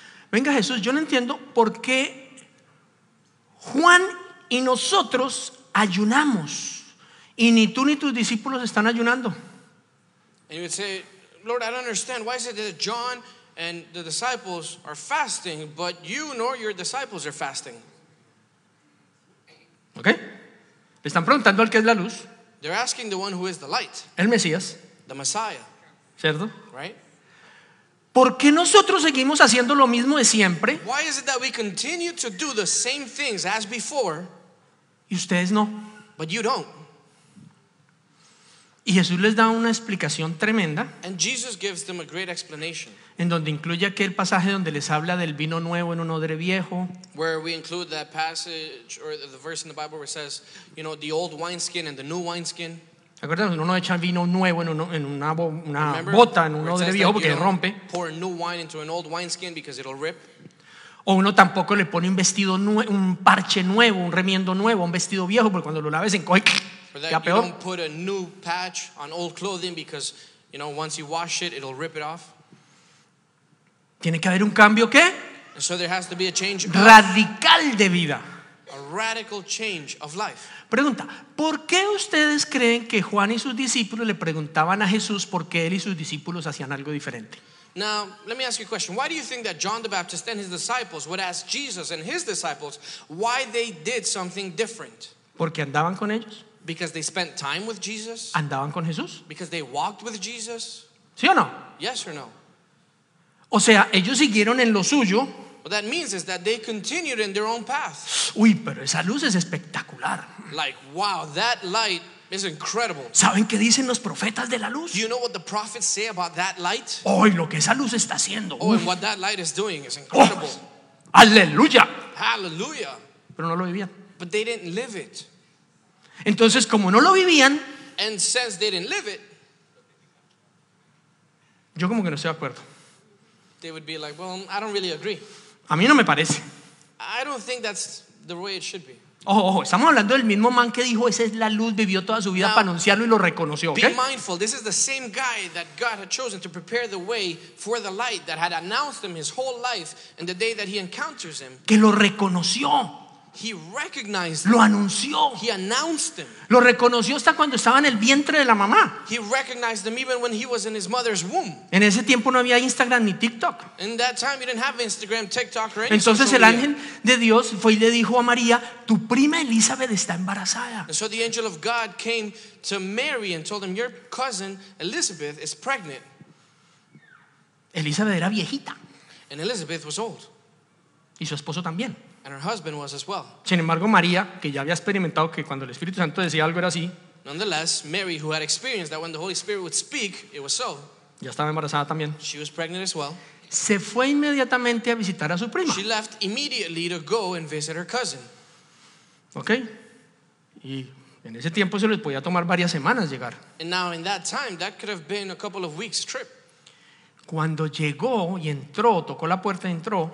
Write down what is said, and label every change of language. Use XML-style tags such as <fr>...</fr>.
<es>Venga Jesús, yo no entiendo por qué Juan y nosotros ayunamos y ni tú ni tus discípulos están ayunando.</es> <en>And you would say, Lord, I don't understand. Why is it that John and the disciples are fasting, but you nor your disciples are fasting? Okay.</en> <es>Le están preguntando al que es la luz.</es> <en>They're asking the one who is the light.</en> <es>El Mesías.</es> <en>The Messiah.</en> <es>¿Cierto?</es> <en>Right.</en> <es>¿Por qué nosotros seguimos haciendo lo mismo de siempre?</es> <en>Why is it that we continue to do the same things as before?</en> <es>Y ustedes no.</es> <en>But you don't.</en> <es>Y Jesús les da una explicación tremenda.</es> <en>And Jesus gives them a great explanation.</en> <es>En donde incluye aquel pasaje donde les habla del vino nuevo en un odre viejo.</es> <en>Where we include that passage or the verse in the Bible where it says, you know, the old wineskin and the new wineskin.</en> <es>Acuérdense, uno no echa vino nuevo en una bota, en un odre viejo porque rompe.</es> <en>Pour new wine into an old wineskin because it'll rip.</en> <es>O uno tampoco le pone un vestido nuevo, un parche nuevo, un remiendo nuevo, un vestido viejo porque cuando lo laves encoge.</es> <en>Or that you don't put a new patch on old clothing because, you know, once you wash it, it'll rip it off.</en> <es>¿Tiene que haber un cambio qué?</es> <en>And so there has to be a change.</en> <es>Radical de vida.</es> <en>A radical change of life.</en> <es>Pregunta, ¿por qué ustedes creen que Juan y sus discípulos le preguntaban a Jesús por qué él y sus discípulos hacían algo diferente?</es> <en>Now, let me ask you a question. Why do you think that John the Baptist and his disciples would ask Jesus and his disciples why they did something different?</en> <es>Porque andaban con ellos.</es> <en>Because they spent time with Jesus.</en> <es>Andaban con Jesús.</es> <en>Because they walked with Jesus.</en> <es>¿Sí o no?</es> <en>Yes or no?</en> <es>O sea, ellos siguieron en lo suyo.</es> <en>What that means is that they continued in their own path.</en> <es>Uy, pero esa luz es espectacular.</es> <en>Like, wow, that light is incredible.</en> <es>¿Saben qué dicen los profetas de la luz?</es> <en>Do you know what the prophets say about that light?</en> <es>Oh, y lo que esa luz está haciendo.</es> <en>Oh, and what that light is doing is incredible.</en> <es>Oh, ¡aleluya!</es> <en>Hallelujah.</en> <es>Pero no lo vivían.</es> <en>But they didn't live it.</en> <es>Entonces, como no lo vivían,</es> <en>and since they didn't live it,</en> <es>yo como que no estoy de acuerdo.</es> <en>They would be like, well, I don't really agree.</en> <es>A mí no me parece.</es> <en>I don't think that's the way it should be.</en> <es>Ojo, estamos hablando del mismo man que dijo, esa es la luz, vivió toda su vida</es> <en>now,</en> <es>para anunciarlo y lo reconoció.</es> <en>Be mindful, this is the same guy that God had chosen to prepare the way for the light that had announced him his whole life and the day that he encounters him.</en> <es>Que lo reconoció.</es> <en>He recognized him.</en> <es>Lo anunció.</es> <en>He announced him.</en> <es>Lo reconoció hasta cuando estaba en el vientre de la mamá.</es> <en>He recognized him even when he was in his mother's womb.</en> <es>En ese tiempo no había Instagram ni TikTok.</es> <en>In that time you didn't have Instagram, TikTok or any.</en> <es>Entonces el ángel de Dios fue y le dijo a María, tu prima Elizabeth está embarazada.</es> <en>And so the angel of God came to Mary and told him, your cousin Elizabeth is pregnant.</en> <es>Elizabeth era viejita.</es> <en>And Elizabeth was old.</en> <es>Y su esposo también.</es> <en>And her husband was as well.</en> <es>Sin embargo, María, que ya había experimentado que cuando el Espíritu Santo decía algo era así.</es> <en>Nonetheless, Mary, who had experienced that when the Holy Spirit would speak, it was so.</en> <es>Ya estaba embarazada también.</es> <en>She was pregnant as well.</en> <es>Se fue inmediatamente a visitar a su prima.</es> <en>She left immediately to go and visit her cousin. Okay.</en> <es>Y en ese tiempo se les podía tomar varias semanas llegar.</es> <en>And now in that time, that could have been a couple of weeks trip.</en> <es>Cuando llegó y entró, tocó la puerta y entró.</es>